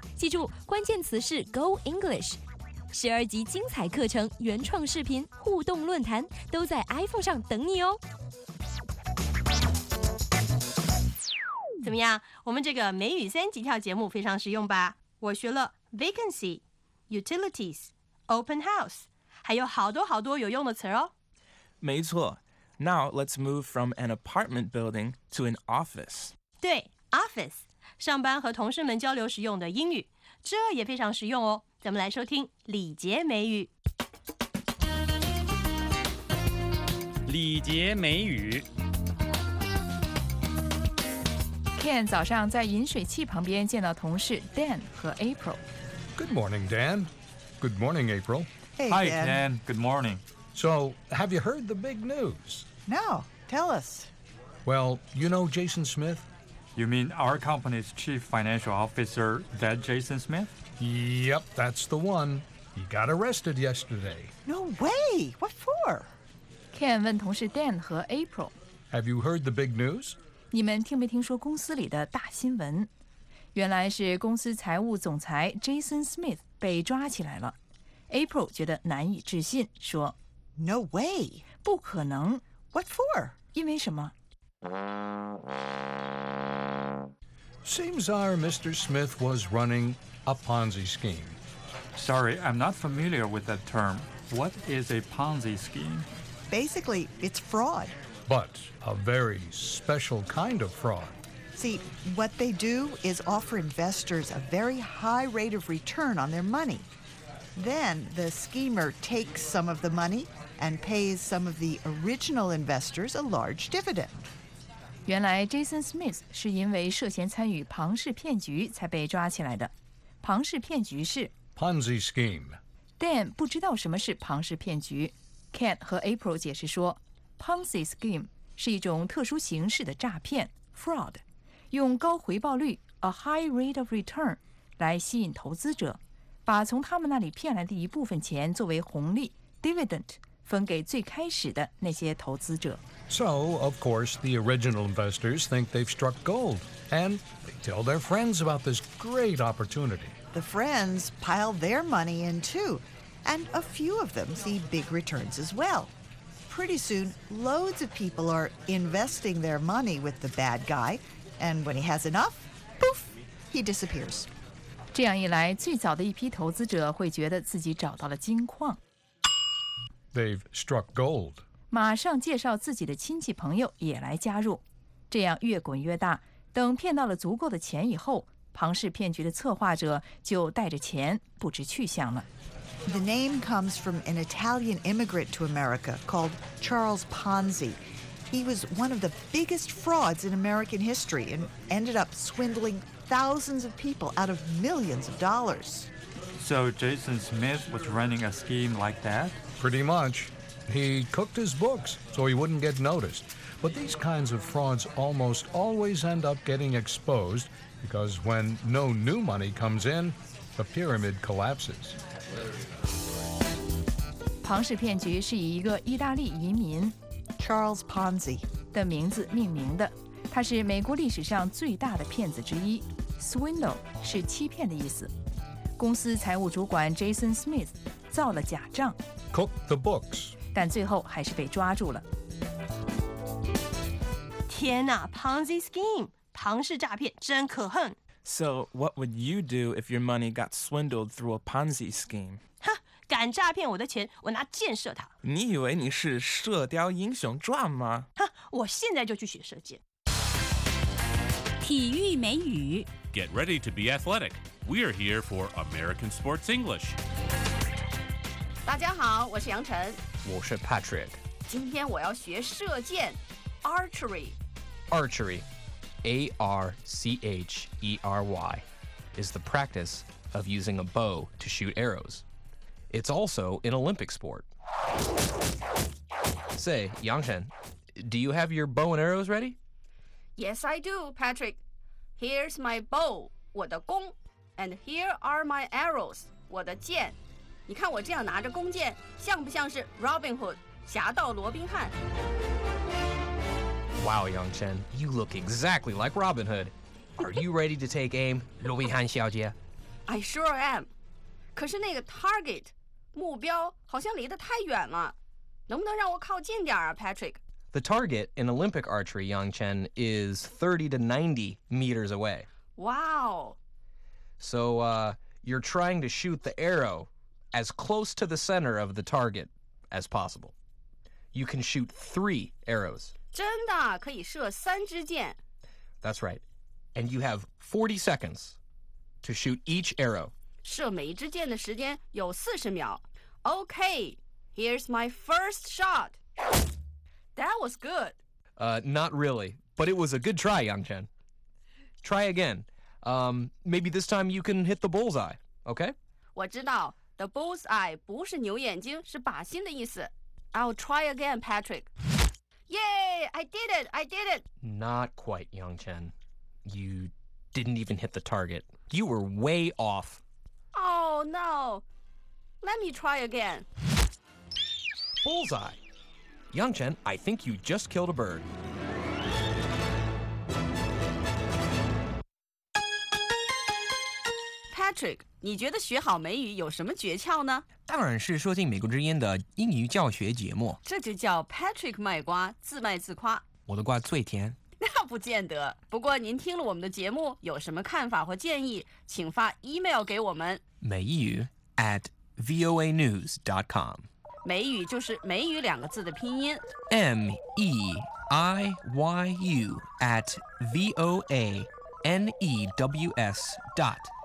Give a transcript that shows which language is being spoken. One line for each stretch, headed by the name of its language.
Chinese: 记住，关键词是 Go English。十二级精彩课程、原创视频、互动论坛都在 iPhone 上等你哦。怎么样？我们这个美语三级跳节目非常实用吧？我学了 vacancy、utilities、open house， 还有好多好多有用的词哦。没错。
English: Now let's move from an apartment building to an office.
Chinese: 对 ，office， 上班和同事们交流时用的英语，这也非常实用哦。咱们来收听李杰美语。李杰美语。 Ken 早上在饮水器旁边见到同事 Dan 和 April。
English: Good morning, Dan. Good morning, April. Hey, Dan. Hi, Dan. Good morning. So, have you heard the big news? No. Tell us. Well, you know Jason Smith? You mean our company's chief financial officer, that Jason Smith? Yep, that's the one. He got arrested yesterday. No way! What for?
Chinese: Ken 问同事 Dan 和 April.
English: Have you heard the big news?
Chinese: 你们听没听说公司里的大新闻？原来是公司财务总裁 Jason Smith 被抓起来了。 April 觉得难以置信，说
English: No way!
Chinese: 不可能。
English: What for?
Chinese: 因为什么？
English: Seems our Mr. Smith was running... A Ponzi scheme. Sorry, I'm not familiar with that term. What is a Ponzi scheme? Basically, it's fraud. But a very special kind of fraud. See, what they do is offer investors a very high rate of return on their money. Then the schemer takes some of the money and pays some of the original investors a large dividend.
Chinese: 原来 Jason Smith 是因为涉嫌参与庞氏骗局才被抓起来的。庞氏骗局是
English: Ponzi scheme.
Chinese: Dan 不知道什么是庞氏骗局。Ken 和 April 解释说 ，Ponzi scheme 是一种特殊形式的诈骗 ，fraud， 用高回报率
English: a high rate of return
Chinese: 来吸引投资者，把从他们那里骗来的一部分钱作为红利 dividend 分给最开始的那些投资者。
English: So, of course, the original investors think they've struck gold, and they tell their friends about this great opportunity. The friends pile their money in, too, and a few of them see big returns as well. Pretty soon, loads of people are investing their money with the bad guy, and when he has enough, poof, he disappears.
Chinese: 这样一来，最早的一批投资者会觉得自己找到了金矿。
English: They've struck gold.
Chinese: 马上介绍自己的亲戚朋友也来加入，这样越滚越大。等骗到了足够的钱以后，庞氏骗局的策划者就带着钱不知去向了。
English: The name comes from an Italian immigrant to America called Charles Ponzi. He was one of the biggest frauds in American history and ended up swindling thousands of people out of millions of dollars. So Jason Smith was running a scheme like that? Pretty much. He cooked his books so he wouldn't get noticed. But these kinds of frauds almost always end up getting exposed because when no new money comes in, the pyramid collapses.
Chinese: 庞氏骗局是以一个意大利移民
English: Charles Ponzi
Chinese: 的名字命名的。他是美国历史上最大的骗子之一。Swindle 是欺骗的意思。公司财务主管 Jason Smith 造了假账。
English: Cooked the books.
Chinese: 但最后还是被抓住了。天哪 ，Ponzi scheme， 庞氏诈骗真可恨。
English: So what would you do if your money got swindled through a Ponzi scheme？
Chinese: 哈，敢诈骗我的钱，我拿箭射他。你以为你是《射雕英雄传》吗？哈，我现在就去学射箭。体育美语。
English: Get ready to be athletic. We are here for American Sports English.
Chinese: 大家好，我是杨晨。我是 Patrick，今天我要学射箭 ，archery。
English: Archery， A R C H E R Y， is the practice of using a bow to shoot arrows. It's also an Olympic sport. Say, Yangshan, do you have your bow and arrows ready? Yes, I do, Patrick. Here's my bow,
Chinese: 我的弓
English: ，and here are my arrows,
Chinese: 我的箭。你看我这样拿着弓箭，像不像是 Robin Hood 侠盗罗宾汉
English: ？Wow, Yangchen, you look exactly like Robin Hood. Are you ready to take aim,
Chinese: 罗宾汉小姐
English: ？I sure am.
Chinese: 可是那个 target 目标好像离得太远了，能不能让我靠近点啊 ，Patrick？
English: The target in Olympic archery, Yangchen, is 30 to 90 meters away. Wow. So, you're trying to shoot the arrow. As close to the center of the target as possible. You can shoot three arrows.
Chinese: 真的可以射三支箭。
English: That's right. And you have 40 seconds to shoot each arrow.
Chinese: 射每一支箭的时间有四十秒。
English: Okay, here's my first shot. That was good. Not really, but it was a good try, Yangchen. Try again. Maybe this time you can hit the bullseye, okay?
Chinese: 我知道。 The bullseye 不是牛眼睛，是靶心的意思。
English: I'll try again, Patrick. Yay! I did it! I did it! Not quite, Yangchen. You didn't even hit the target. You were way off. Oh, no. Let me try again. Bullseye. Yangchen, I think you just killed a bird. Patrick.
Chinese: 你觉得学好美语有什么诀窍呢？当然是收听美国之音的英语教学节目。这就叫 Patrick 卖瓜，自卖自夸。我的瓜最甜。那不见得。不过您听了我们的节目，有什么看法或建议，请发 email 给我们。美语 at voanews.com。美语就是美语两个字的拼音。
English: M-E-I-Y-U at V-O-A-N-E-W-S.com